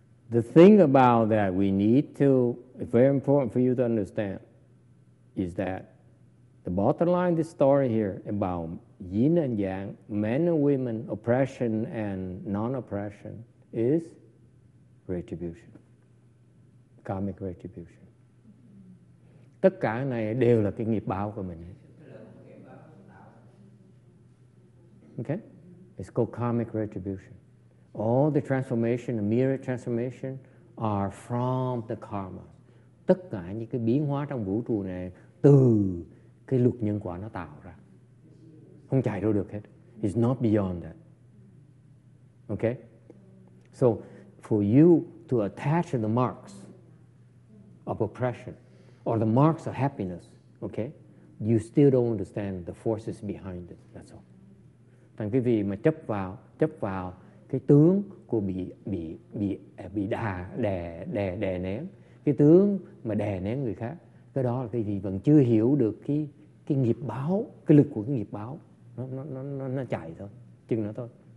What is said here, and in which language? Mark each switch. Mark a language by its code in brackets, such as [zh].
[en] The thing about that we need to, very important for you to understand, is that the bottom line of this story here about yin and yang, men and women, oppression and non-oppression, is retribution, karmic retribution. [vi] Tất cả này đều là cái nghiệp báo của mình. [en] Okay? It's called karmic retribution. All the transformation, the mirror transformation, are from the karma. [vi] Tất cả những cái biến hóa trong vũ trụ này từ cái luật nhân quả nó tạo ra. Không chạy đâu được hết. [en] It's not beyond that. Okay? So for you to attach the marks of oppression or the marks of happiness, okay, you still don't understand the forces behind it. That's all. [vi] Thành quý vị mà chấp vào cái tướng của bị đà đè đè đè nén, cái tướng mà đè nén người khác, cái đó là quý vị vẫn chưa hiểu được cái nghiệp báo, cái lực của cái nghiệp báo nó chạy thôi, chừng nó thôi.